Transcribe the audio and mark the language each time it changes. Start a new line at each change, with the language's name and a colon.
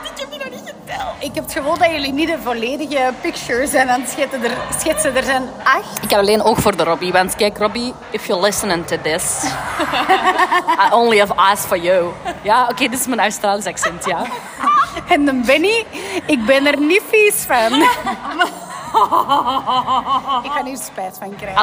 Dutch: Ik heb die nog niet geteld. Ik heb het gevoel dat jullie niet de volledige picture zijn aan het schetsen. Er zijn 8. Ik heb alleen oog voor de Robbie. Want kijk,
English: Robbie, if you're listening to this, I only have eyes for you.
Dutch: Ja, oké, dit is mijn Australisch accent, ja. En dan Benny, ik ben er niet vies van. Ik ga hier spijt van krijgen.